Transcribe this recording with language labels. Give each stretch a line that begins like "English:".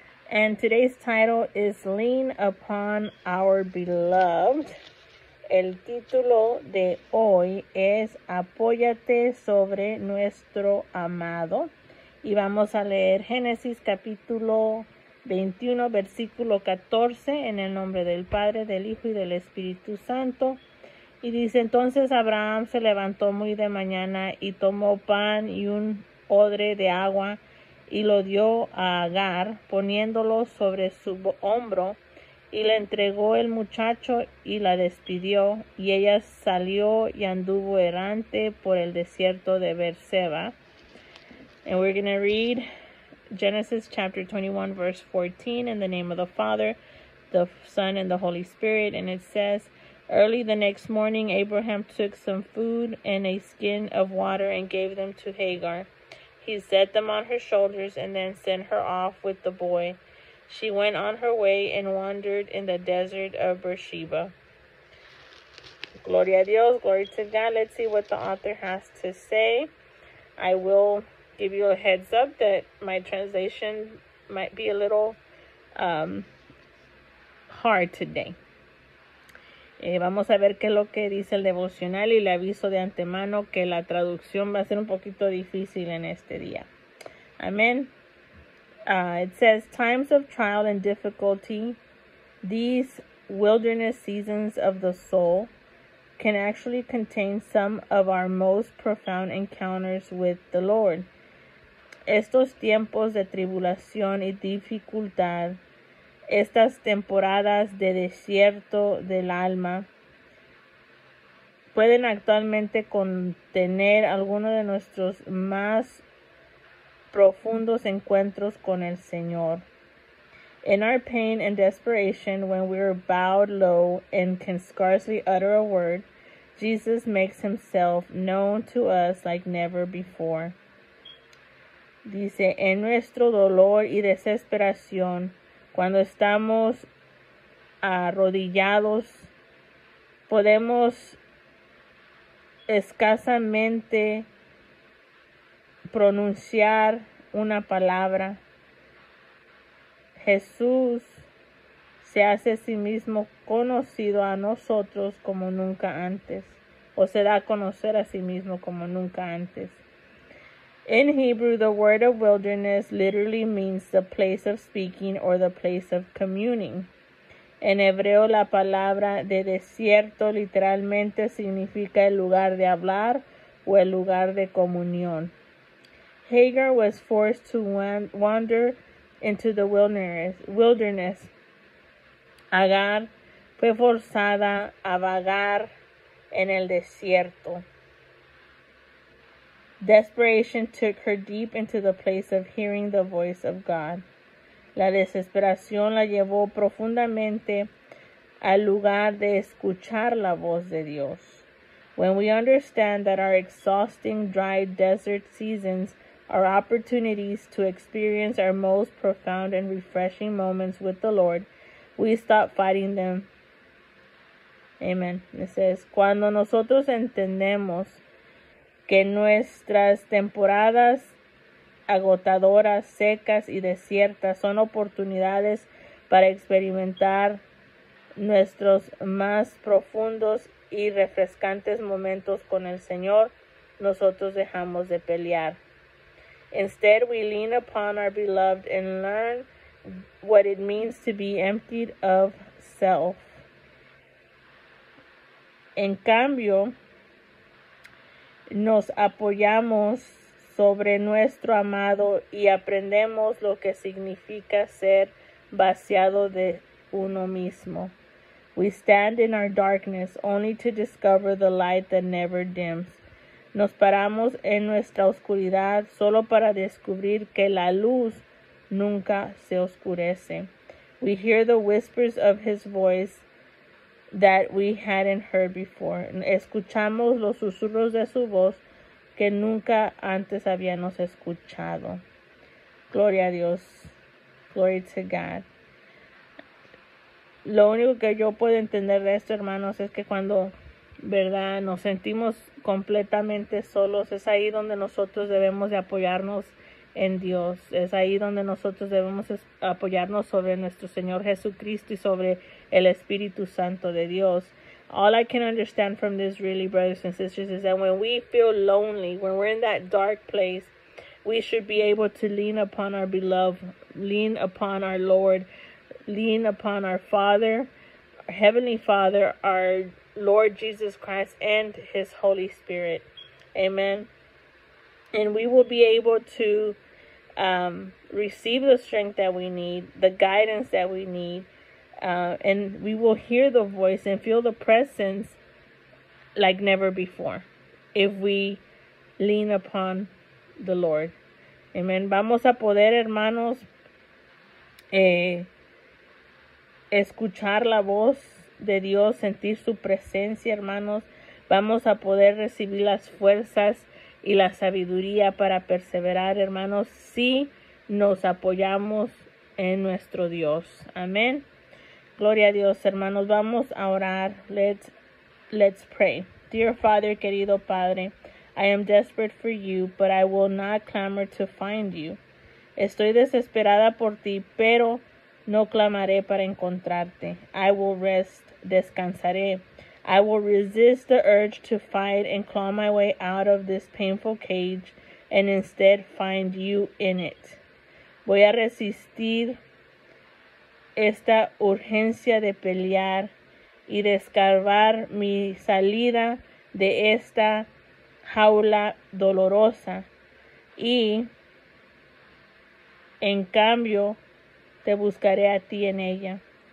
English: And today's title is Lean Upon Our Beloved.
Spanish: El título de hoy es Apóyate sobre nuestro amado. Y vamos a leer Génesis capítulo 21, versículo 14, en el nombre del Padre, del Hijo y del Espíritu Santo. Y dice, entonces Abraham se levantó muy de mañana y tomó pan y un odre de agua y lo dio a Agar, poniéndolo sobre su hombro, y le entregó el muchacho y la despidió, y ella salió y anduvo errante por el desierto de Beerseba.
English: And we're going to read Genesis chapter 21, verse 14, in the name of the Father, the Son, and the Holy Spirit, and it says, early the next morning, Abraham took some food and a skin of water and gave them to Hagar. He set them on her shoulders and then sent her off with the boy. She went on her way and wandered in the desert of Beersheba.
Spanish: Gloria a Dios,
English: glory to God. Let's see what the author has to say. I will give you a heads up that my translation might be a little hard today.
Spanish: Vamos a ver qué es lo que dice el devocional y le aviso de antemano que la traducción va a ser un poquito difícil en este día. Amén.
English: It says, times of trial and difficulty, these wilderness seasons of the soul can actually contain some of our most profound encounters with the Lord.
Spanish: Estos tiempos de tribulación y dificultad, estas temporadas de desierto del alma pueden actualmente contener algunos de nuestros más profundos encuentros con el Señor.
English: In our pain and desperation, when we are bowed low and can scarcely utter a word, Jesus makes himself known to us like never before.
Spanish: Dice, en nuestro dolor y desesperación, cuando estamos arrodillados, podemos escasamente pronunciar una palabra. Jesús se hace a sí mismo conocido a nosotros como nunca antes, o se da a conocer a sí mismo como nunca antes.
English: In Hebrew, the word of wilderness literally means the place of speaking or the place of communing.
Spanish: En hebreo, la palabra de desierto literalmente significa el lugar de hablar o el lugar de comunión.
English: Hagar was forced to wander into the wilderness.
Spanish: Agar fue forzada a vagar en el desierto.
English: Desperation took her deep into the place of hearing the voice of God.
Spanish: La desesperación la llevó profundamente al lugar de escuchar la voz de Dios.
English: When we understand that our exhausting, dry desert seasons are opportunities to experience our most profound and refreshing moments with the Lord, we stop fighting them. Amen. It says,
Spanish: cuando nosotros entendemos que nuestras temporadas agotadoras, secas y desiertas son oportunidades para experimentar nuestros más profundos y refrescantes momentos con el Señor, nosotros dejamos de pelear.
English: Instead, we lean upon our beloved and learn what it means to be emptied of self.
Spanish: En cambio, nos apoyamos sobre nuestro amado y aprendemos lo que significa ser vaciado de uno mismo.
English: We stand in our darkness only to discover the light that never dims.
Spanish: Nos paramos en nuestra oscuridad solo para descubrir que la luz nunca se oscurece.
English: We hear the whispers of his voice that we hadn't heard before.
Spanish: Escuchamos los susurros de su voz que nunca antes habíamos escuchado. Gloria a Dios.
English: Glory to God.
Spanish: Lo único que yo puedo entender de esto, hermanos, es que cuando ¿verdad? Nos sentimos completamente solos. Es ahí donde nosotros debemos de apoyarnos en Dios. Es ahí donde nosotros debemos apoyarnos sobre nuestro Señor Jesucristo y sobre el Espíritu Santo de Dios.
English: All I can understand from this really, brothers and sisters, is that when we feel lonely, when we're in that dark place, we should be able to lean upon our beloved, lean upon our Lord, lean upon our Father, our Heavenly Father, our Lord Jesus Christ, and His Holy Spirit. Amen. And we will be able to receive the strength that we need, the guidance that we need, and we will hear the voice and feel the presence like never before if we lean upon the Lord. Amen.
Spanish: Vamos a poder, hermanos, escuchar la voz de Dios, sentir su presencia, hermanos. Vamos a poder recibir las fuerzas y la sabiduría para perseverar, hermanos, si nos apoyamos en nuestro Dios. Amén. Gloria a Dios, hermanos. Vamos a orar.
English: Let's pray. Dear Father,
Spanish: querido Padre,
English: I am desperate for you, but I will not clamor to find you.
Spanish: Estoy desesperada por ti, pero no clamaré para encontrarte.
English: I will rest,
Spanish: descansaré.
English: I will resist the urge to fight and claw my way out of this painful cage and instead find you in it.
Spanish: Voy a resistir esta urgencia de pelear y de escarbar mi salida de esta jaula dolorosa y en cambio te buscaré a ti en ella.